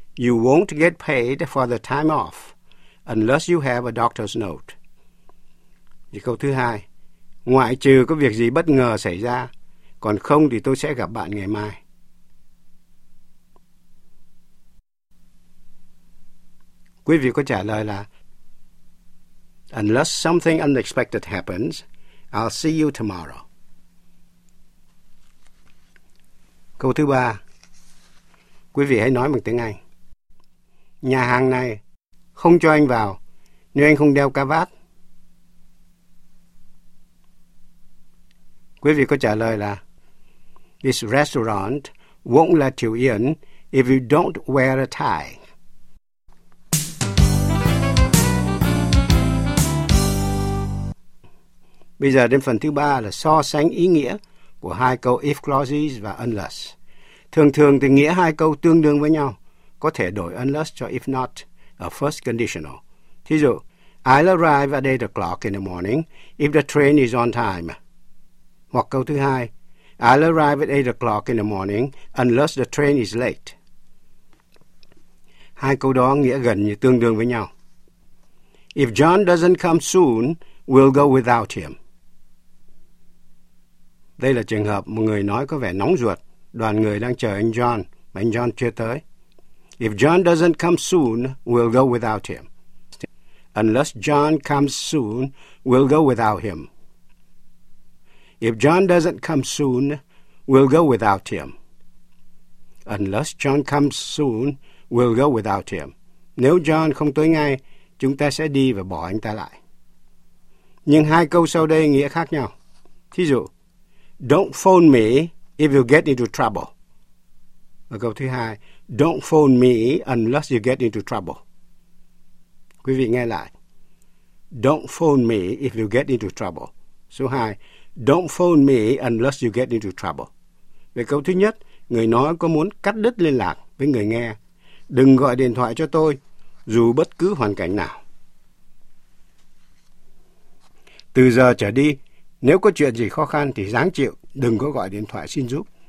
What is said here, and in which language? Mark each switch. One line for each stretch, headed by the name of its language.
English: You won't get paid for the time off unless you have a doctor's note.
Vietnamese: Và câu thứ hai. Ngoại trừ có việc gì bất ngờ xảy ra, còn không thì tôi sẽ gặp bạn ngày mai. Quý vị có trả lời là
English: Unless something unexpected happens, I'll see you tomorrow.
Vietnamese: Câu thứ ba. Quý vị hãy nói bằng tiếng Anh. Nhà hàng này không cho anh vào nếu anh không đeo cà vạt. Quý vị có trả lời là
English: This restaurant won't let you in if you don't wear a tie.
Vietnamese: Bây giờ đến phần thứ ba là so sánh ý nghĩa của hai câu if clauses và unless. Thường thường thì nghĩa hai câu tương đương với nhau, có thể đổi unless cho if not a first conditional. Thí dụ,
English: I'll arrive at 8 o'clock in the morning if the train is on time.
Vietnamese: Hoặc câu thứ hai,
English: I'll arrive at 8 o'clock in the morning unless the train is late.
Vietnamese: Hai câu đó nghĩa gần như tương đương với nhau.
English: If John doesn't come soon, we'll go without him.
Vietnamese: Đây là trường hợp một người nói có vẻ nóng ruột, đoàn người đang chờ anh John, mà anh John chưa tới.
English: If John doesn't come soon, we'll go without him. Unless John comes soon, we'll go without him. If John doesn't come soon, we'll go without him. Unless John comes soon, we'll go without him.
Vietnamese: Nếu John không tới ngay, chúng ta sẽ đi và bỏ anh ta lại. Nhưng hai câu sau đây nghĩa khác nhau. Thí dụ,
English: don't phone me if you get into trouble.
Vietnamese: Và câu thứ hai,
English: don't phone me unless you get into trouble.
Vietnamese: Quý vị nghe lại.
English: Don't phone me if you get into trouble.
Vietnamese: Số hai,
English: don't phone me unless you get into trouble.
Vietnamese: Về câu thứ nhất, người nói có muốn cắt đứt liên lạc với người nghe. Đừng gọi điện thoại cho tôi, dù bất cứ hoàn cảnh nào. Từ giờ trở đi, nếu có chuyện gì khó khăn thì ráng chịu, đừng có gọi điện thoại xin giúp.